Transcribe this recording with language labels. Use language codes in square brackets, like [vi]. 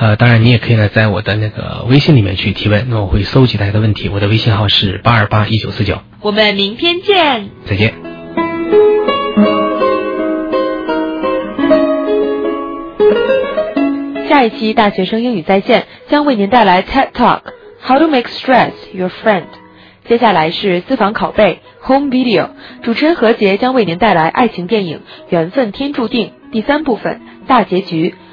[zh] 当然你也可以呢，在我的那个微信里面去提问，那我会搜集大家的问题。我的微信号是8281949。我们明天见。再见。下一期大学生英语在线将为您带来 TED Talk。 [en] How to make stress your friend. [zh] 接下来是私房拷贝 Home Video. 主持人何杰将为您带来爱情电影《缘分天注定》第三部分大结局。